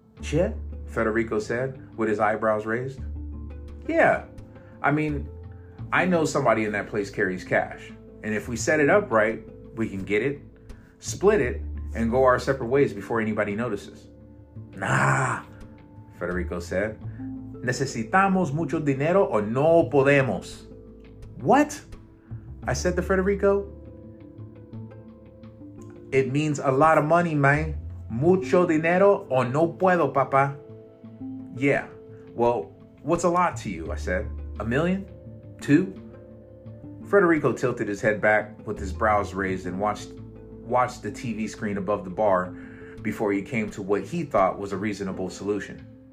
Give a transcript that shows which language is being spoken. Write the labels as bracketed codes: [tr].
[en] Yeah, Federico said, with his eyebrows raised. Yeah, I mean, I know somebody in that place carries cash. And if we set it up right, we can get it, split it, and go our separate ways before anybody notices. Nah, Federico said. [es] Necesitamos mucho dinero o no podemos. [en] What? I said to Federico. It means a lot of money, man. [es] Mucho dinero o no puedo, papa. [en] Yeah, well, what's a lot to you? I said. A million? Two? Federico tilted his head back with his brows raised and watched the TV screen above the bar before he came to what he thought was a reasonable solution.